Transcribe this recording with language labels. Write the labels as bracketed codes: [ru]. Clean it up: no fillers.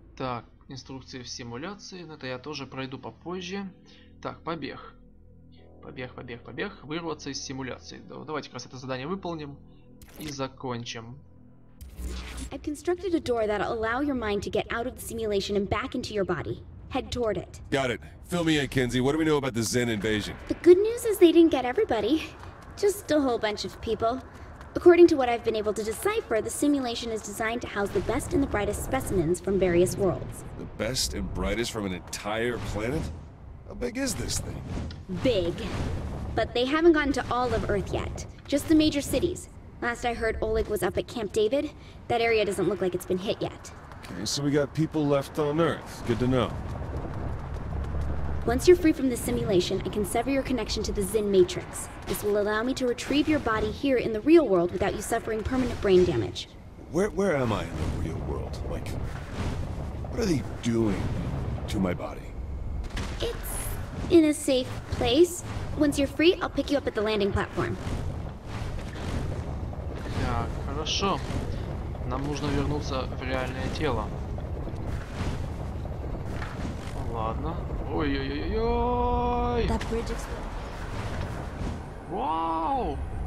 [ru] Так, инструкции в симуляции. Это я тоже пройду попозже. Так, побег. Побег, побег, побег. Вырваться из симуляции. Давайте как раз это задание выполним и закончим. [en] I've constructed a door that'll allow your mind to get out of the simulation and back into your body. Head toward it. Got it. Fill me in, Kenzie. What do we know about the Zen invasion? The good news is they didn't get everybody. Just a whole bunch of people. According to what I've been able to decipher, the simulation is designed to house the best and the brightest specimens from various worlds. The best and brightest from an entire planet? How big is this thing? Big. But they haven't gotten to all of Earth yet. Just the major cities. Last I heard, Oleg was up at Camp David. That area doesn't look like it's been hit yet. Okay, so we got people left on Earth. Good to know. Once you're free from the simulation, I can sever your connection to the Zen Matrix. This will allow me to retrieve your body here in the real world without you suffering permanent brain damage. Where am I in the real world? Like, what are they doing to my body? It's in a safe place. Once you're free, I'll pick you up at the landing platform. [ru] Так, хорошо. Нам нужно вернуться в реальное тело. Ладно. Ой-ой-ой-ой! Вау!